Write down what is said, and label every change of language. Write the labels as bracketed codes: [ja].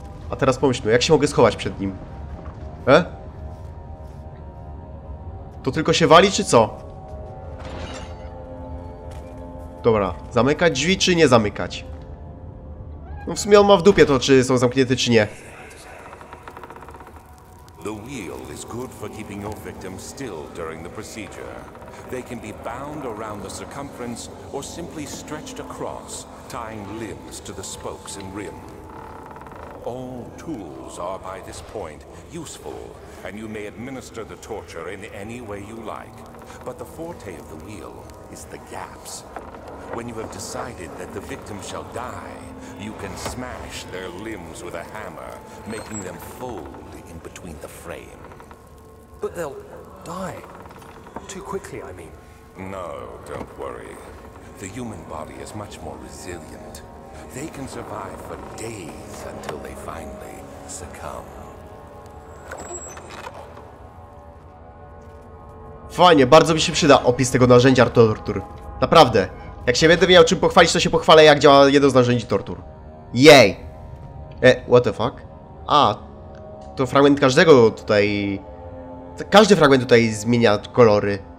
[pl] A teraz pomyślmy, jak się mogę schować przed nim? E? To tylko się wali, czy co? Dobra, zamykać drzwi, czy nie zamykać? No w sumie on ma w dupie to, czy są zamknięte, czy nie. [en] The wheel is good for keeping your victim still during the procedure. They can be bound around the circumference or simply stretched across, tying limbs to the spokes and rim. All tools are by this point useful, and you may administer the torture in any way you like. But the forte of the wheel is the gaps. When you have decided that the victim shall die, you can smash their limbs with a hammer, making them fold between the frame. But they'll die too quickly, I mean. No, don't worry. The human body is much more resilient. They can survive for days until they finally succumb. [pl] Fajnie, bardzo mi się przyda opis tego narzędzia tortur. Naprawdę. Jak się będę miał czym pochwalić, to się pochwalę, jak działa jedno z narzędzi tortur. Jej! [en] What the fuck? [pl] A, to fragment każdego tutaj... Każdy fragment tutaj zmienia kolory.